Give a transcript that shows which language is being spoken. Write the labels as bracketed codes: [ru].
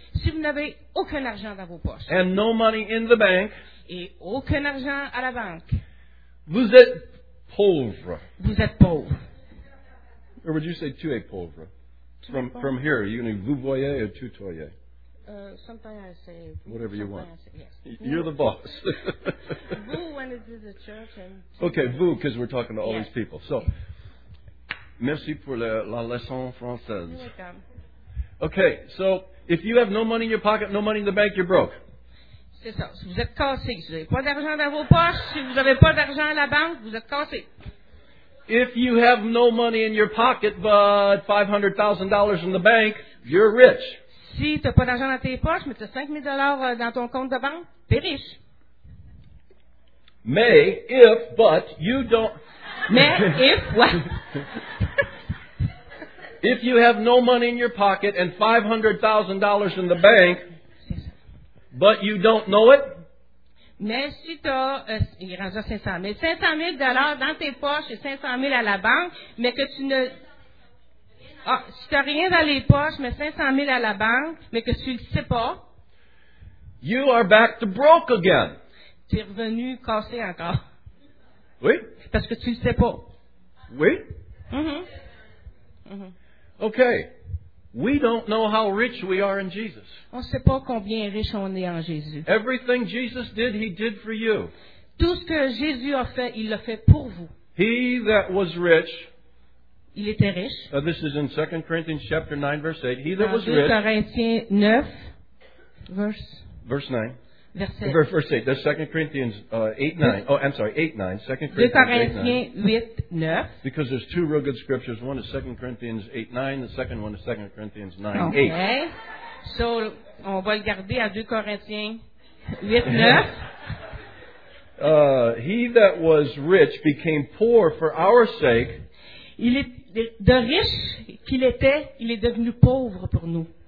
[fr] si vous n'avez aucun argent dans vos poches, [en] and no money in the bank, [fr] et aucun argent à la banque, vous êtes pauvre. Vous êtes pauvre. [en] Or would you say [fr] tu es pauvre? [en] From here, you mean vous voyez or tutoyez? Sometimes I say whatever you want. I say, yes. You're the boss. Vous when it is the church and okay, vous because we're talking to all these people. So, [fr] merci pour la leçon française. [en] Okay, so if you have no money in your pocket, no money in the bank, you're broke. [fr] C'est ça. Si vous êtes cassé, vous n'avez pas d'argent dans vos poches. Si vous n'avez pas d'argent à la banque, vous êtes cassé. [en] If you have no money in your pocket but $500,000 in the bank, you're rich. [fr] Si tu n'as pas d'argent dans tes poches, mais tu as $5,000 dans ton compte de banque, tu es riche. [en] Mais, if, but, you don't... Mais, if, what? If you have no money in your pocket and $500,000 in the bank, but you don't know it, [fr] mais si tu as, il est rendu à 500 000, $500,000 dans tes poches et $500,000 à la banque, mais que tu ne... Ah, si tu n'as rien dans les poches, mais $500,000 à la banque, mais que tu ne le sais pas, [en] you are back to broke again. [fr] Tu es revenu cassé encore. Oui. Parce que tu ne le sais pas. Oui. Mm-hmm. [en] Okay. We don't know how rich we are in Jesus. [fr] On ne sait pas combien riche on est en Jésus. [en] Everything Jesus did, he did for you. [fr] Tout ce que Jésus a fait, il l'a fait pour vous. [en] He that was rich. [fr] Il était riche. [en] This is in 2 Corinthians chapter 9, verse 8. He [fr] dans [en] that was rich. [fr] 2 Corinthiens 9, verse 9. [en] Verse 8. That's 2 Corinthians 8:9. 2 [fr] Corinthiens 8:9. [en] Because there's two real good scriptures. One is 2 Corinthians 8:9. The second one is 2 Corinthians 9:8. [fr] Okay. So, on va le garder à 2 Corinthiens 8:9. [en] He that was rich became poor for our sake. [fr] Il est de riche qu'il était, il est devenu pauvre pour nous.